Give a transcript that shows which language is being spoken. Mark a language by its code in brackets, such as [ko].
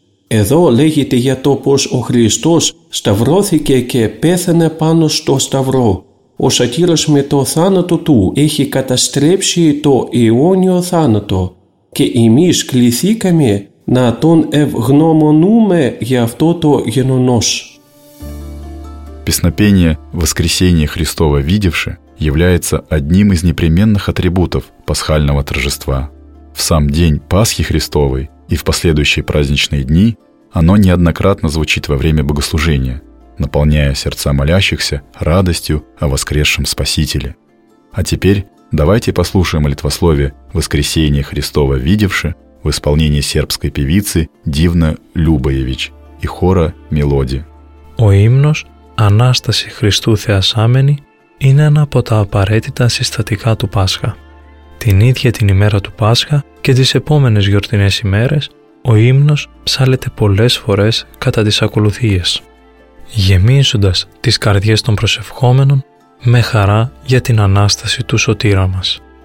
[el] Εδώ λέγεται για το πως ο Χριστός σταυρώθηκε και πέθανε πάνω στο σταυρό. Ο σατήρας με το θάνατο του έχει καταστρέψει το αιώνιο θάνατο και εμείς κληθήκαμε να τον ευγνωμονούμε για αυτό το γεγονός. [ru] Песнопение «Воскресение Христово видевши» является одним из непременных атрибутов пасхального торжества. в сам день Пасхи Христовой и в последующие праздничные дни оно неоднократно звучит во время богослужения, наполняя сердца молящихся радостью о воскресшем Спасителе. А теперь давайте послушаем молитвословие «Воскресение Христово видевши» в исполнении сербской певицы Дивна Любоевич и хора «Мелоди». [el] Ο ύμνος «Ανάσταση Χριστού Θεασάμενη» είναι ένα από τα απαραίτητα συστατικά του Πάσχα. Την ίδια την ημέρα του Πάσχα και τις επόμενες γιορτινές ημέρες, ο ύμνος ψάλεται πολλές φορές κατά τις ακολουθίες, γεμίζοντας τις καρδιές των προσευχόμενων με χαρά για την Ανάσταση του Σωτήρα μας.